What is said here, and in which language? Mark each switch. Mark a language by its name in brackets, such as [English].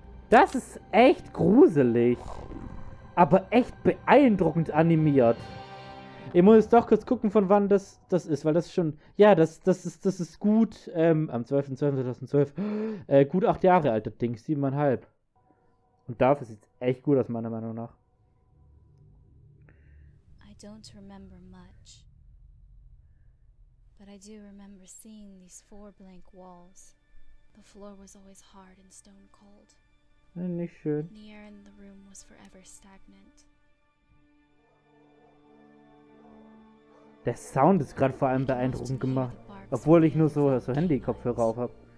[German] Das ist echt gruselig, aber echt beeindruckend animiert. Ihr müsst doch kurz gucken, von wann das ist, weil das schon... Ja, das ist gut, am 12.12.2012, gut 8 Jahre alt, das Ding, 7,5. Und dafür sieht es echt gut aus, meiner Meinung nach. [English] Don't remember much, but I do remember seeing these four blank walls. The floor was always hard and stone cold. [German] Nicht schön. [English] And the air in the room was forever stagnant. [German] Der Sound ist gerade vor allem beeindruckend gemacht, obwohl ich nur so Handy-Kopfhörer auf hab.